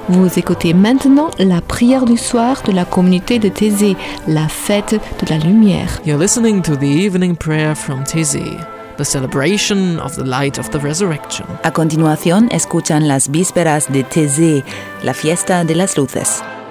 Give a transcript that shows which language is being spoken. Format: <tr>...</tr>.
<fr>Vous écoutez maintenant la prière du soir de la communauté de Taizé, la fête de la lumière.</fr> <en>You're listening to the evening prayer from Taizé, the celebration of the light of the resurrection.</en> <es>A continuación, escuchan las vísperas de Taizé, la fiesta de las luces.</es>